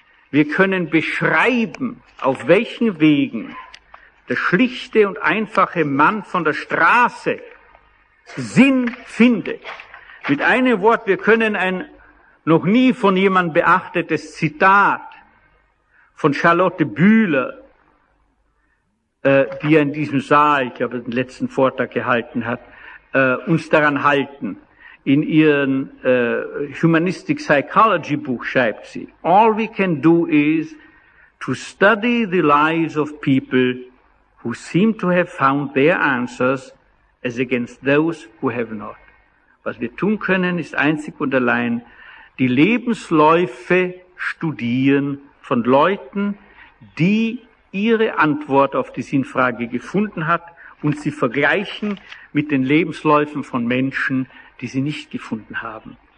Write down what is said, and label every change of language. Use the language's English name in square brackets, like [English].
[German] Wir können beschreiben, auf welchen Wegen der schlichte und einfache Mann von der Straße Sinn findet. Mit einem Wort, wir können ein noch nie von jemandem beachtetes Zitat von Charlotte Bühler, die in diesem Saal, ich glaube, den letzten Vortrag gehalten hat, uns daran halten. In ihrem Humanistic Psychology Buch schreibt sie, [English] all we can do is to study the lives of people who seem to have found their answers as against those who have not. [German] Was wir tun können, ist einzig und allein die Lebensläufe studieren von Leuten, die ihre Antwort auf die Sinnfrage gefunden hat und sie vergleichen mit den Lebensläufen von Menschen, die sie nicht gefunden haben.